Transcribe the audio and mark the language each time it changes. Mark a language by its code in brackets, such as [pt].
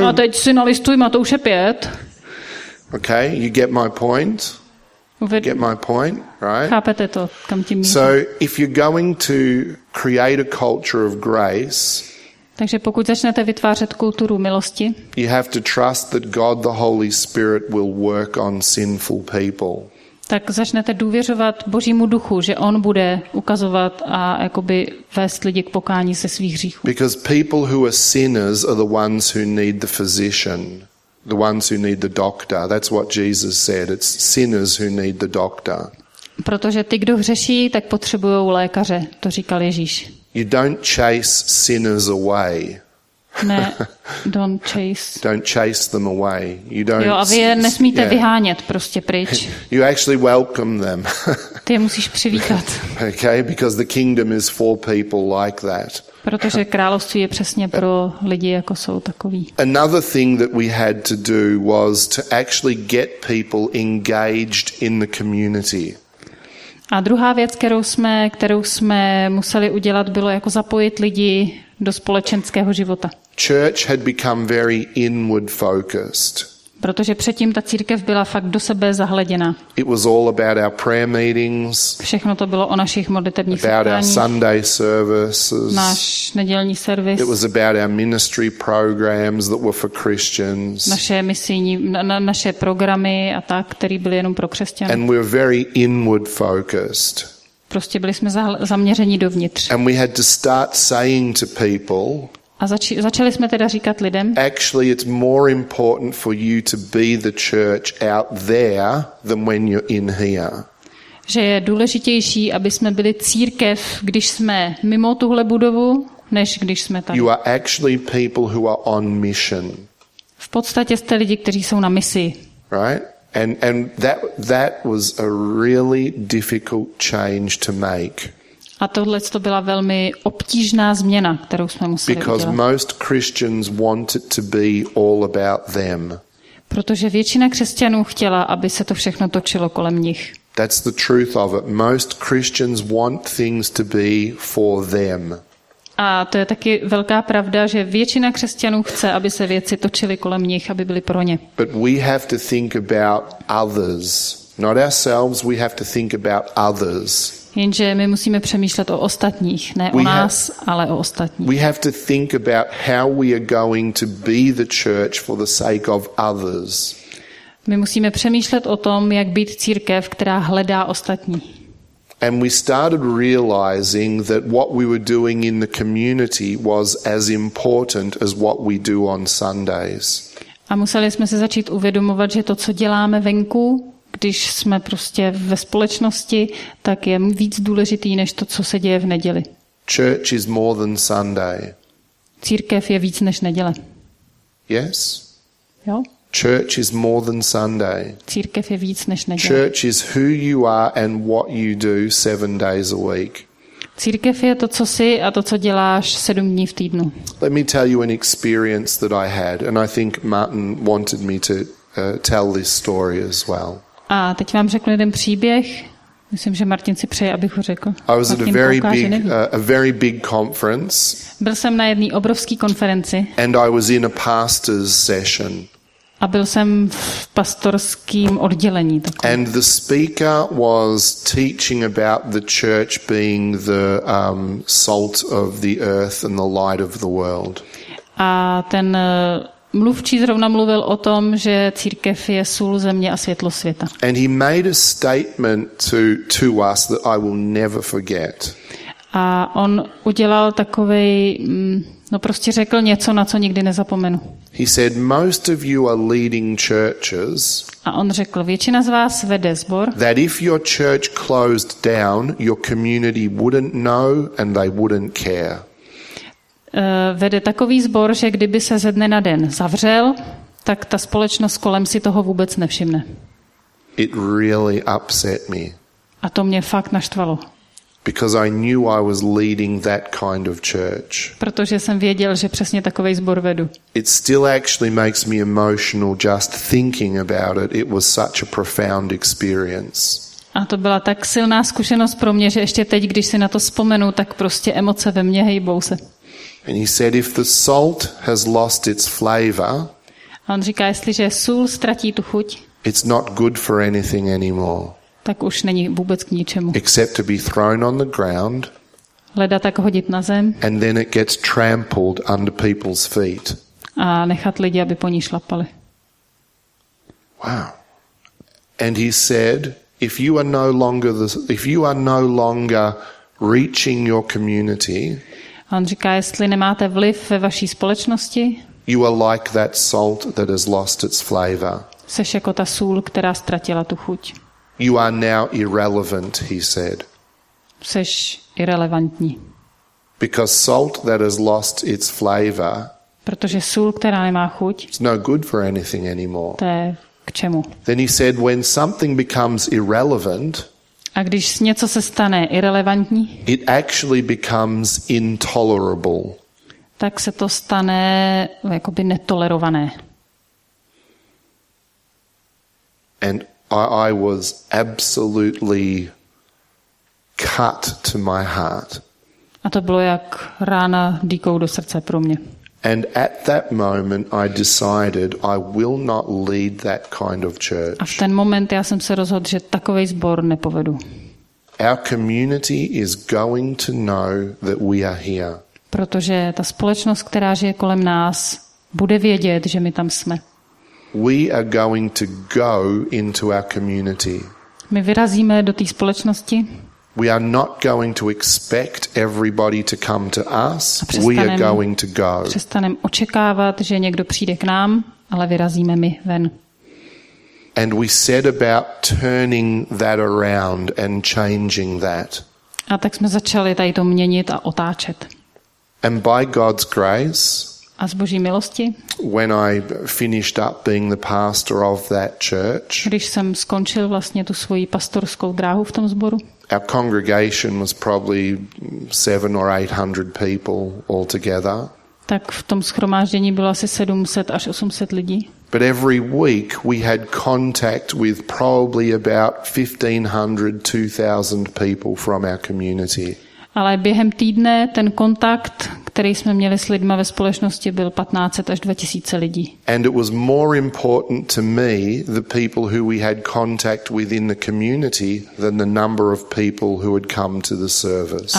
[cs] No a teď si nalistuj Matouše 5. [en] Okay, you get my point. Get my point, right? [cs] Chápete to, kam tím mířím. [en] So if you're going to create a culture of grace, [cs] takže pokud začnete vytvářet kulturu milosti, [en] you have to trust that God the Holy Spirit will work on sinful people. [cs] Tak začnete důvěřovat Božímu duchu, že on bude ukazovat a jakoby vést lidi k pokání se svých hříchů. [en] Because people who are sinners are the ones who need the physician. The ones who need the doctor. That's what Jesus said. It's sinners who need the doctor. [cs] Protože ty, kdo hřeší, tak potřebují lékaře. To říkal Ježíš. [en] You don't chase sinners away. [cs] Ne, [en] don't chase. Don't chase them away. You don't. [cs] Jo, a vy je nesmíte vyhánět prostě pryč. [en] You actually welcome them. [cs] Ty je musíš přivítat. [en] Okay, because the kingdom is for people like that. [cs] Protože království je přesně pro lidi, jako jsou takový. [en] Another thing that we had to do was to actually get people engaged in the community. [cs] A druhá věc, kterou jsme museli udělat, bylo jako zapojit lidi do společenského života. [en] Church had become very inward focused. [cs] Protože předtím ta církev byla fakt do sebe zahleděna. [en] It was all about our prayer meetings. [cs] Všechno to bylo o našich modlitebních setkáních. [en] About our Sunday services. [cs] Náš nedělní servis. [en] It was about our ministry programs that were for Christians. [cs] Naše misijní, naše programy a tak, které byly jenom pro křesťany. [en] And we were very inward focused. [cs] Prostě byli jsme zaměřeni dovnitř. [en] And we had to start saying to people. [cs] A začali jsme teda říkat lidem. [en] Actually, it's more important for you to be the church out there than when you're in here. [cs] Že je důležitější, aby jsme byli církev, když jsme mimo tuhle budovu, než když jsme tady. [en] You are actually people who are on mission. [cs] V podstatě jste lidi, kteří jsou na misi. [en] Right? And that was a really difficult change to make. [cs] A tohle to byla velmi obtížná změna, kterou jsme museli udělat. [en] Because most Christians wanted to be all about them. [cs] Protože většina křesťanů chtěla, aby se to všechno točilo kolem nich. [en] That's the truth of it. Most Christians want things to be for them. [cs] A to je taky velká pravda, že většina křesťanů chce, aby se věci točily kolem nich, aby byly pro ně. [en] But we have to think about others. Not ourselves, we have to think about others. [cs] Jenže my musíme přemýšlet o ostatních, ne o nás, ale o ostatních. [en] We have to think about how we are going to be the church for the sake of others. [cs] My musíme přemýšlet o tom, jak být církev, která hledá ostatní. [en] And we started realizing that what we were doing in the community was as important as what we do on Sundays. [cs] A museli jsme se začít uvědomovat, že to, co děláme venku, když jsme prostě ve společnosti, tak je víc důležitý, než to, co se děje v neděli. [en] Church is more than Sunday. [cs] Církev je víc než neděle. [en] Yes? [cs] Jo? [en] Church is more than Sunday. [cs] Církev je víc než neděle. [en] Church is who you are and what you do 7 days a week. [cs] Církev je to, co jsi a to, co děláš 7 dní v týdnu. [en] Let me tell you an experience that I had, and I think Martin wanted me to tell this story as well. [cs] A teď vám řeknu jeden příběh. Myslím, že Martin si přeje, abych ho řekl. [en] I was at a very big conference. [cs] Byl jsem na jedné obrovské konferenci. [en] And I was in a pastor's session. [cs] A byl jsem v pastorském oddělení takovém. [en] And the speaker was teaching about the church being the salt of the earth and the light of the world. [cs] A ten mluvčí zrovna mluvil o tom, že církev je sůl země a světlo světa. [en] And he made a statement to us that I will never forget. [cs] A on udělal takovej, no prostě řekl něco, na co nikdy nezapomenu. [en] He said, most of you are leading churches. [cs] A on řekl, většina z vás vede sbor. [en] That if your church closed down, your community wouldn't know and they wouldn't care. [cs] Vede takový sbor, že kdyby se ze dne na den zavřel, tak ta společnost kolem si toho vůbec nevšimne. [en] It really upset me. [cs] A to mě fakt naštvalo. [en] Because I knew I was leading that kind of church. [cs] Protože jsem věděl, že přesně takovej sbor vedu. [en] It still actually makes me emotional just thinking about it. It was such a profound experience. [cs] A to byla tak silná zkušenost pro mě, že ještě teď, když si na to vzpomenu, tak prostě emoce ve mně hejbou se. [en] And he said, if the salt has lost its flavor, [cs] a on říká, jestliže sůl ztratí tu chuť, [en] it's not good for anything anymore. [cs] Tak už není vůbec k ničemu. [en] Except to be thrown on the ground. [cs] Leda tak hodit na zem. [en] And then it gets trampled under people's feet. [cs] A nechat lidi, aby po ní šlapali. [en] Wow. And he said, if you are no longer reaching your community, [cs] a on říká, jestli nemáte vliv ve vaší společnosti, [en] you are like that salt that has lost its flavor. [cs] Seš jako ta sůl, která ztratila tu chuť. [en] You are now irrelevant, he said. [cs] Seš irelevantní. [en] Because salt that has lost its flavor. [cs] Protože sůl, která nemá chuť. [en] It's no good for anything anymore. [cs] To je k čemu? [en] Then he said, when something becomes irrelevant. [cs] A když něco se stane irelevantní. [en] It actually becomes intolerable. [cs] Tak se to stane jakoby netolerované. [en] And I was absolutely cut to my heart. [cs] A to bylo jak rána díkou do srdce pro mě. [en] And at that moment I decided I will not lead that kind of church. [cs] A v ten moment já jsem se rozhodl, že takovej sbor nepovedu. [en] Our community is going to know that we are here. [cs] Protože ta společnost, která žije kolem nás, bude vědět, že my tam jsme. [en] We are going to go into our community. [cs] My vyrazíme do té společnosti. [en] We are not going to expect everybody to come to us. We are going to go. [cs] Přestaneme očekávat, že někdo přijde k nám, ale vyrazíme my ven. [en] And we set about turning that around and changing that. [cs] A tak jsme začali tady to měnit a otáčet. [en] And by God's grace, [cs] a z Boží milosti, [en] when I finished up being the pastor of that church, [cs] když jsem skončil vlastně tu svoji pastorskou dráhu v tom sboru, [en] our congregation was probably 700 or 800 people altogether. [cs] Tak v tom shromáždění bylo asi 700 až 800 lidí. [en] But every week we had contact with probably about 1500-2000 people from our community. [cs] Ale během týdne ten kontakt, který jsme měli s lidma ve společnosti, byl 1500 až 2000 lidí. [en] And it was more important to me the people who we had contact with in the community than the number of people who had come to the service.